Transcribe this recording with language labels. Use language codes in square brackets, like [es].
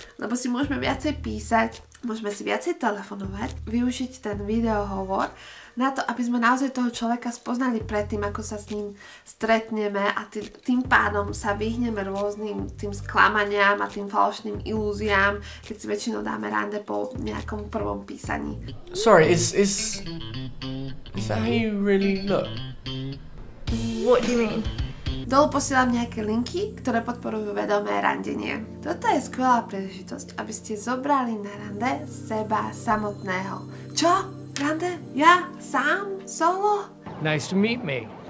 [sk] Lebo si môžeme viacej písať, môžeme si viacej telefonovať, využiť ten videohovor na to, aby sme naozaj toho človeka spoznali predtým, ako sa s ním stretneme a tým pádom sa vyhneme rôznym tým sklamaniam a tým falošným ilúziám, keď si väčšinou dáme rande po nejakom prvom písaní. [en] Sorry, is that how you really look? What do you mean? [sk] Dolu posielam nejaké linky, ktoré podporujú vedomé randenie. Toto je skvelá príležitosť, aby ste zobrali na rande seba samotného. Čo? Rande? Ja? Sám? Solo? [en] Nice to meet me.